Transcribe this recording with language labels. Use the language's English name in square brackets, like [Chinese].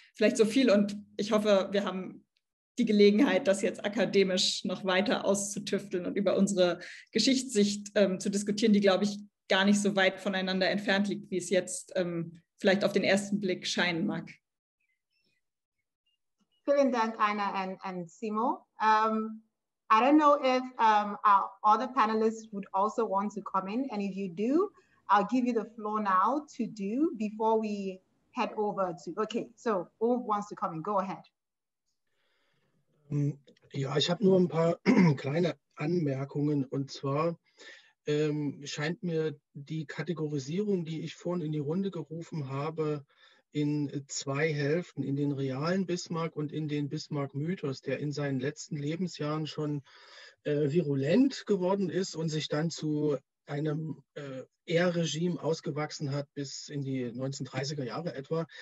[German] Vielleicht so viel und ich hoffe, wir haben die Gelegenheit, das jetzt akademisch noch weiter auszutüfteln und über unsere Geschichtssicht zu diskutieren, die, glaube ich, gar nicht so weit voneinander entfernt liegt, wie es jetzt vielleicht auf den ersten Blick scheinen mag. Vielen Dank, Anna and Simo. [English] I don't know if our other panelists would also want to come in, and if you do, I'll give you the floor now to do before we head over to, okay, so who wants to come in, go ahead. [German] Ja, ich habe nur ein paar kleine Anmerkungen und zwar scheint mir die Kategorisierung, die ich vorhin in die Runde gerufen habe, in zwei Hälften, in den realen Bismarck und in den Bismarck-Mythos, der in seinen letzten Lebensjahren schon virulent geworden ist und sich dann zu einem Air-Regime ausgewachsen hat bis in die 1930er Jahre etwa.